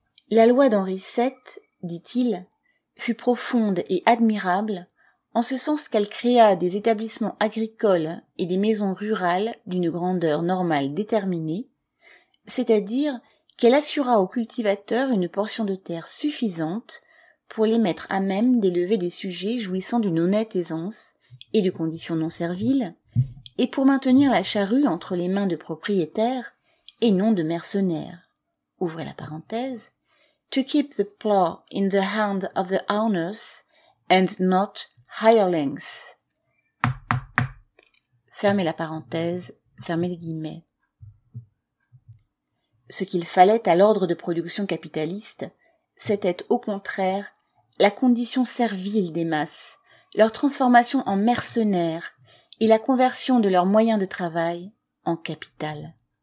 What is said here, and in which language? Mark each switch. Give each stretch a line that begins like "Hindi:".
French: La loi d'Henri VII, dit-il, fut profonde et admirable en ce sens qu'elle créa des établissements agricoles et des maisons rurales d'une grandeur normale déterminée, c'est-à-dire qu'elle assura aux cultivateurs une portion de terre suffisante pour les mettre à même d'élever des sujets jouissant d'une honnête aisance et de conditions non serviles, et pour maintenir la charrue entre les mains de propriétaires et non de mercenaires. Ouvrez la parenthèse.
English: To keep the plough in the hand of the owners and not hirelings.
French: Fermez la parenthèse, fermez les guillemets. Ce qu'il fallait à l'ordre de production capitaliste, c'était au contraire la condition servile des masses, leur transformation en mercenaires et la conversion de leurs moyens de travail en capital.